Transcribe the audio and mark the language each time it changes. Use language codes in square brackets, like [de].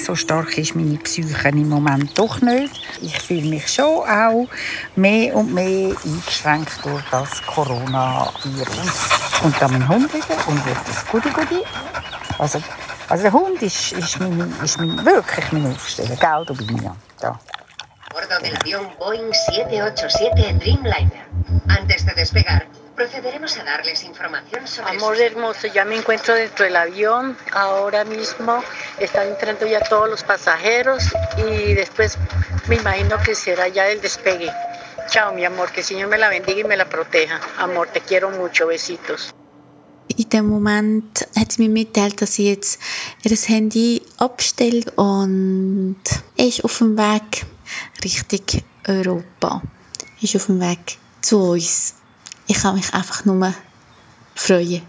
[de] So stark ist meine Psyche im Moment doch nicht. Ich fühle mich schon auch mehr und mehr eingeschränkt durch das Coronavirus. Und dann mein Hund wieder und wird das Gudi-Gudi. Also der Hund ist mein, wirklich mein Aufsteller, gell, du bist mir, da. [es] Bordo del avión Boeing 787 Dreamliner. Antes de despegar, procederemos a darles información sobre... Amor hermoso, ya me encuentro dentro del avión. Ahora mismo están entrando ya todos los pasajeros y después me imagino que será ya el despegue. Chao, mi amor, que el Señor me la bendiga y me la proteja. Amor, te quiero mucho, besitos. [de] In dem Moment hat sie mir mitgeteilt, dass sie jetzt ihr Handy abstellt und ist auf dem Weg Richtung Europa. Ist auf dem Weg zu uns. Ich kann mich einfach nur freuen.